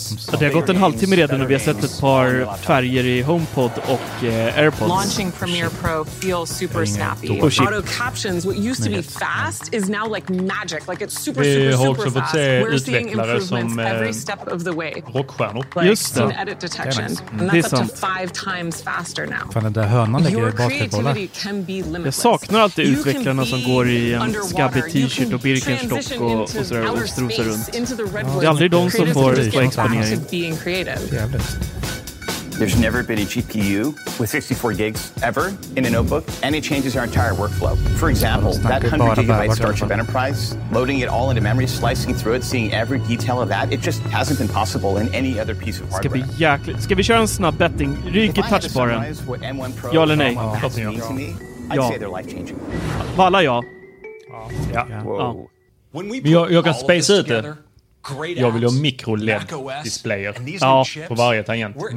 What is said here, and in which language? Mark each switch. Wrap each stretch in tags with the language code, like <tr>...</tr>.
<sv>Så det har gått en halvtimme redan och vi har sett ett par färger i HomePod och AirPods.</sv> <en>Launching Premiere Pro feels super snappy. Oh, auto captions, what used to be fast is now like magic, like it's super super super fast. We're seeing improvements every step of the way. Just like edit detection. And that's up to 5 times faster now.</en> <sv>Fan, det där hörnan ligger i basketbollar. Jag saknar alltid utvecklarna som går i en skabbig t-shirt och Birkenstock och sådär och strosar runt. Det är aldrig de som får exponering.</sv> <en>There's never been a GPU with 64 gigs ever in a notebook, and it changes our entire workflow. For example, that 100 gigabyte Starship Enterprise, loading it all into memory, slicing through it, seeing every detail of that, it just hasn't been possible in any other piece of hardware.</en> <sv>Ska vi jäkligt, ska vi köra en snabb betting? Ryker touchbaren? Ja eller nej? Ja. Valla ja. Ja. Ja. Ja. Men jag kan space ut det. Jag vill ha mikroled-displayer ja. På varje tangent.</sv>